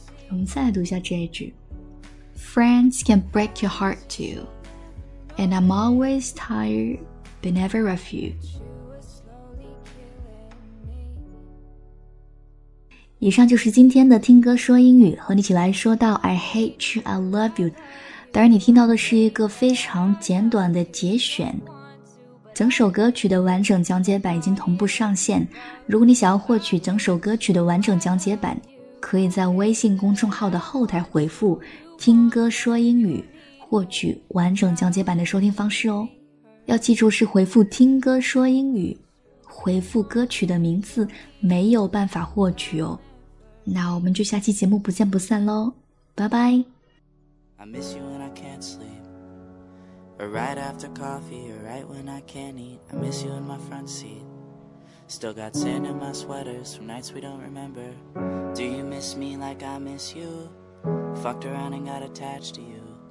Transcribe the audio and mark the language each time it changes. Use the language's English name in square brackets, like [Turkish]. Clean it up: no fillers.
[Chinese] 我们再来读一下这一句， [English] Friends can break your heart too, and I'm always tired, but never rough you。 [Chinese] 以上就是今天的听歌说英语，和你一起来说到 [English] I hate you, I love you。 [Chinese] 当然你听到的是一个非常简短的节选，整首歌曲的完整讲解版已经同步上线，如果你想要获取整首歌曲的完整讲解版，可以在微信公众号的后台回复听歌说英语获取完整讲解版的收听方式哦。要记住是回复听歌说英语，回复歌曲的名字，没有办法获取哦。那我们就下期节目不见不散咯，拜拜。 [English] I miss you when I can't sleep, or right after coffee, or right when I can't eat. I miss you in my front seat, still got sand in my sweaters from nights we don't remember. Do you miss me like I miss you? Fucked around and got attached to you.